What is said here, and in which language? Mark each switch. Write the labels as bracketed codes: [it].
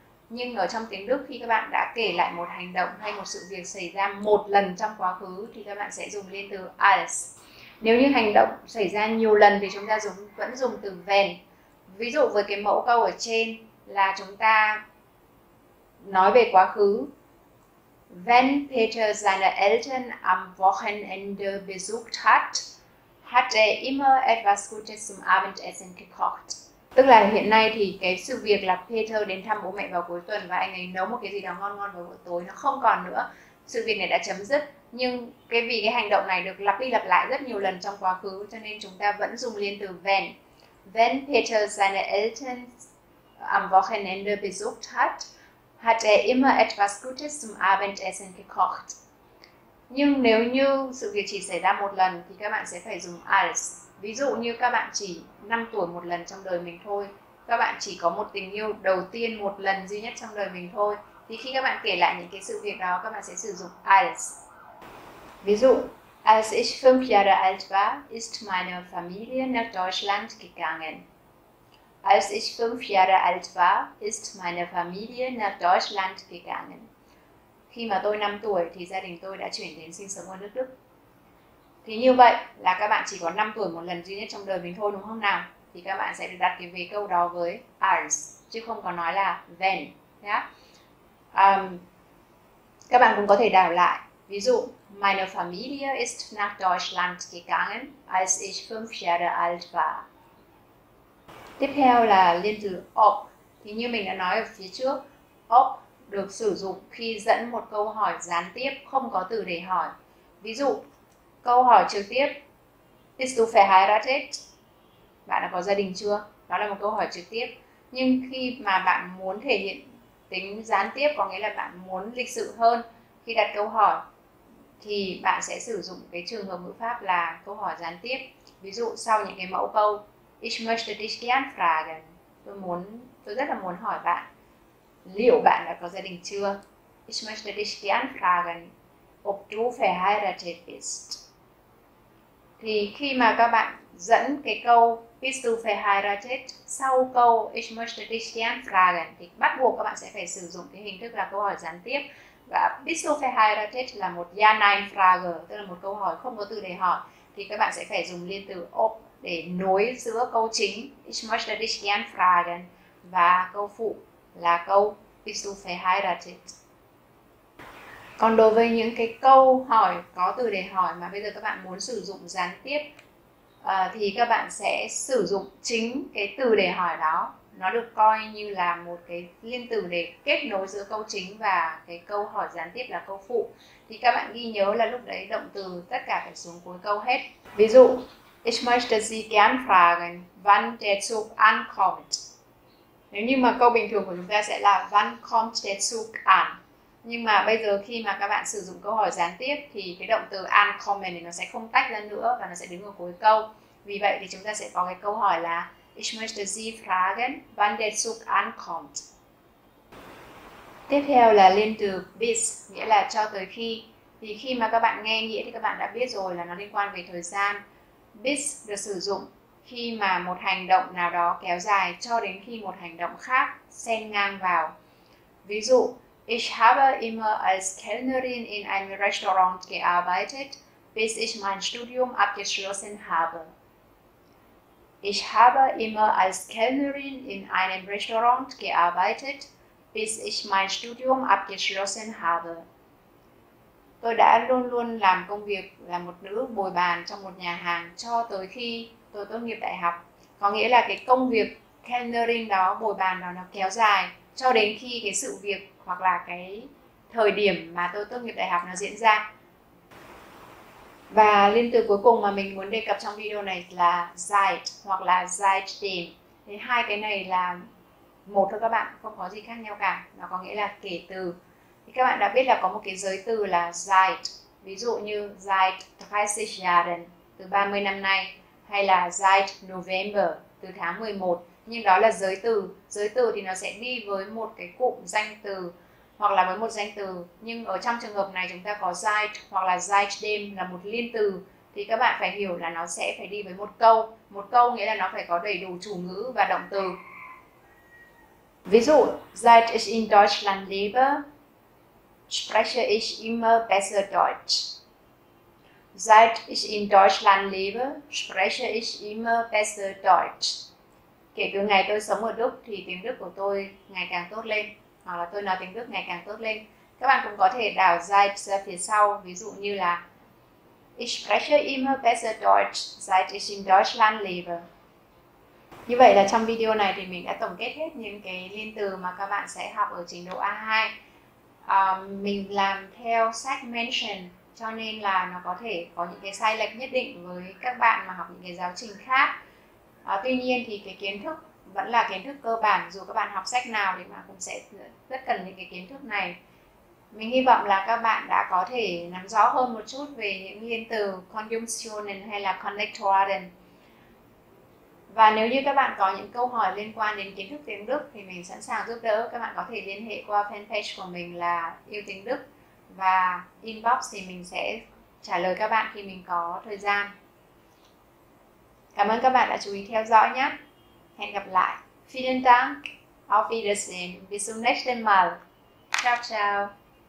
[vi] Nhưng ở trong tiếng Đức, khi các bạn đã kể lại một hành động hay một sự việc xảy ra một lần trong quá khứ thì các bạn sẽ dùng liên từ als. Nếu như hành động xảy ra nhiều lần thì chúng ta vẫn dùng từ wenn. Ví dụ với cái mẫu câu ở trên là chúng ta nói về quá khứ. [de] Wenn Peter seine Eltern am Wochenende besucht hat, hat er immer etwas Gutes zum Abendessen gekocht. [vi] Tức là hiện nay thì cái sự việc là Peter đến thăm bố mẹ vào cuối tuần và anh ấy nấu một cái gì đó ngon ngon vào buổi tối nó không còn nữa. Sự việc này đã chấm dứt. Nhưng cái vì cái hành động này được lặp đi lặp lại rất nhiều lần trong quá khứ cho nên chúng ta vẫn dùng liên từ wenn. [de] Wenn Peter seine Eltern am Wochenende besucht hat, hat er immer etwas Gutes zum Abendessen gekocht. [vi] Nhưng nếu như sự việc chỉ xảy ra một lần thì các bạn sẽ phải dùng als. Ví dụ như các bạn chỉ 5 tuổi một lần trong đời mình thôi. Các bạn chỉ có một tình yêu đầu tiên một lần duy nhất trong đời mình thôi. Thì khi các bạn kể lại những cái sự việc đó, các bạn sẽ sử dụng als. Ví dụ, [de] als ich 5 Jahre alt war, ist meine Familie nach Deutschland gegangen. Als ich 5 Jahre alt war, ist meine Familie nach Deutschland gegangen. [vi] Khi mà tôi 5 tuổi thì gia đình tôi đã chuyển đến sinh sống ở nước Đức. Thì như vậy là các bạn chỉ có 5 tuổi một lần duy nhất trong đời mình thôi đúng không nào? Thì các bạn sẽ được đặt cái vế câu đó với als, chứ không có nói là wenn. Các bạn cũng có thể đảo lại. Ví dụ, [de] meine Familie ist nach Deutschland gegangen, als ich 5 Jahre alt war. [vi] Tiếp theo là liên từ ob. Thì như mình đã nói ở phía trước, ob được sử dụng khi dẫn một câu hỏi gián tiếp, không có từ để hỏi. Ví dụ, câu hỏi trực tiếp. [de] Bist du verheiratet? [vi] Bạn đã có gia đình chưa? Đó là một câu hỏi trực tiếp. Nhưng khi mà bạn muốn thể hiện tính gián tiếp, có nghĩa là bạn muốn lịch sự hơn khi đặt câu hỏi, thì bạn sẽ sử dụng cái trường hợp ngữ pháp là câu hỏi gián tiếp. Ví dụ sau những cái mẫu câu [de] Ich möchte dich gern fragen. [vi] Tôi rất là muốn hỏi bạn liệu bạn đã có gia đình chưa? [de] Ich möchte dich gern fragen, ob du verheiratet bist. [vi] Thì khi mà các bạn dẫn cái câu [de] Bist du verheiratet [vi] sau câu [de] Ich möchte dich gern fragen [vi] thì bắt buộc các bạn sẽ phải sử dụng cái hình thức là câu hỏi gián tiếp. Và [de] Bist du verheiratet [vi] là một Ja-Nein-Frage, tức là một câu hỏi không có từ để hỏi, thì các bạn sẽ phải dùng liên từ ob để nối giữa câu chính [de] Ich möchte dich gern fragen [vi] và câu phụ là câu Bist du verheiratet. Còn đối với những cái câu hỏi có từ để hỏi mà bây giờ các bạn muốn sử dụng gián tiếp thì các bạn sẽ sử dụng chính cái từ để hỏi đó. Nó được coi như là một cái liên từ để kết nối giữa câu chính và cái câu hỏi gián tiếp là câu phụ. Thì các bạn ghi nhớ là lúc đấy động từ tất cả phải xuống cuối câu hết. Ví dụ, [de] Ich möchte Sie gern fragen, wann der Zug ankommt. [vi] Nếu như mà câu bình thường của chúng ta sẽ là [de] Wann kommt der Zug an? [vi] Nhưng mà bây giờ khi mà các bạn sử dụng câu hỏi gián tiếp thì cái động từ ankommen thì nó sẽ không tách ra nữa và nó sẽ đứng ở cuối câu. Vì vậy thì chúng ta sẽ có cái câu hỏi là [de] Ich möchte Sie fragen, wann der Zug ankommt. [vi] Tiếp theo là liên từ bis, nghĩa là cho tới khi. Thì khi mà các bạn nghe nghĩa thì các bạn đã biết rồi là nó liên quan về thời gian. Bis được sử dụng khi mà một hành động nào đó kéo dài cho đến khi một hành động khác xen ngang vào. Ví dụ, [de] Ich habe immer als Kellnerin in einem Restaurant gearbeitet, bis ich mein Studium abgeschlossen habe. Ich habe immer als Kellnerin in einem Restaurant gearbeitet, bis ich mein Studium abgeschlossen habe. [vi] Tôi đã luôn luôn làm công việc là một nữ bồi bàn trong một nhà hàng cho tới khi tôi tốt nghiệp đại học. Có nghĩa là cái công việc kellnering đó, bồi bàn đó nó kéo dài cho đến khi cái sự việc hoặc là cái thời điểm mà tôi tốt nghiệp đại học nó diễn ra. Và liên từ cuối cùng mà mình muốn đề cập trong video này là seit hoặc là seitdem. Thế hai cái này là một thôi các bạn, không có gì khác nhau cả. Nó có nghĩa là kể từ. Thì các bạn đã biết là có một cái giới từ là seit. Ví dụ như [de] seit 30 Jahren, [vi] từ 30 năm nay. Hay là [de] seit November, [vi] từ tháng 11. Nhưng đó là giới từ. Giới từ thì nó sẽ đi với một cái cụm danh từ hoặc là với một danh từ. Nhưng ở trong trường hợp này chúng ta có seit hoặc là seitdem là một liên từ. Thì các bạn phải hiểu là nó sẽ phải đi với một câu. Một câu nghĩa là nó phải có đầy đủ chủ ngữ và động từ. Ví dụ, [de] seit ich in Deutschland lebe, spreche ich immer besser Deutsch. Seit ich in Deutschland lebe, spreche ich immer besser Deutsch. [vi] Kể từ ngày tôi sống ở Đức thì tiếng Đức của tôi ngày càng tốt lên, hoặc là tôi nói tiếng Đức ngày càng tốt lên. Các bạn cũng có thể đảo seit ra phía sau, ví dụ như là [de] Ich spreche immer besser Deutsch, seit ich in Deutschland lebe. [vi] Như vậy là trong video này thì mình đã tổng kết hết những cái liên từ mà các bạn sẽ học ở trình độ A2. Mình làm theo sách mention cho nên là nó có thể có những cái sai lệch nhất định với các bạn mà học những cái giáo trình khác. Tuy nhiên thì cái kiến thức vẫn là kiến thức cơ bản, dù các bạn học sách nào thì mà cũng sẽ rất cần những cái kiến thức này. Mình hy vọng là các bạn đã có thể nắm rõ hơn một chút về những liên từ conjunctionen hay là konnektoren. Và nếu như các bạn có những câu hỏi liên quan đến kiến thức tiếng Đức thì mình sẵn sàng giúp đỡ. Các bạn có thể liên hệ qua fanpage của mình là Yêu Tiếng Đức và inbox thì mình sẽ trả lời các bạn khi mình có thời gian. Cảm ơn các bạn đã chú ý theo dõi nhé. Hẹn gặp lại. [de] Vielen Dank. Auf Wiedersehen. Bis zum nächsten Mal. Ciao, ciao.